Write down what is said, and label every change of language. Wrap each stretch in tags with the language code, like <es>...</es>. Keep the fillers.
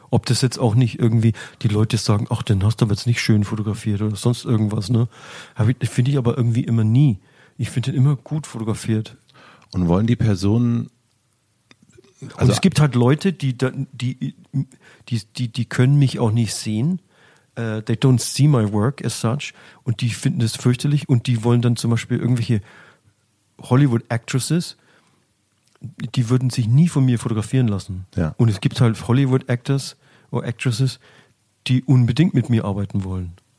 <de>Ob das jetzt auch nicht irgendwie, die Leute sagen, ach, den hast du aber jetzt nicht schön fotografiert oder sonst irgendwas, ne? Hab ich- Finde ich aber irgendwie immer nie. Ich finde den immer gut fotografiert. Und wollen die Personen. und es gibt halt Leute, die, da- die, die, die, die können mich auch nicht sehen.</de> <en>Äh, they don't see my work as such.</en> <de>Und die finden es fürchterlich und die wollen dann zum Beispiel irgendwelche Hollywood-Actresses, die würden sich nie von mir fotografieren lassen. Ja. Und es gibt halt Hollywood-Actors oder Actresses, die unbedingt mit mir arbeiten wollen.</de>